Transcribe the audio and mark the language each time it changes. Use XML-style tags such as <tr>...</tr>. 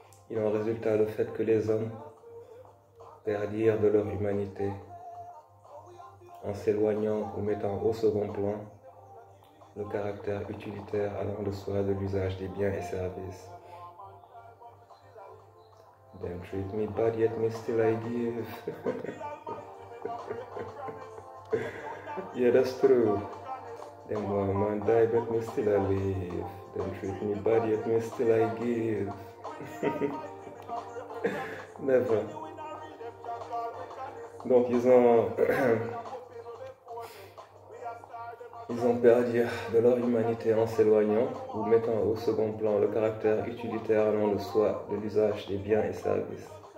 <fr>Il en résulta le fait que les hommes perdirent de leur humanité en s'éloignant ou mettant au second plan le caractère utilitaire allant de soi de l'usage des biens et services.</fr> <en>Them treat me bad, yet me still I give. Yeah, that's true. Them one man die, but me still I live. Them treat me bad, yet me still I give. Never.</en> <fr>Donc ils ont perdu de leur humanité en s'éloignant ou mettant au second plan le caractère utilitaire allant de soi de l'usage des biens et services</fr>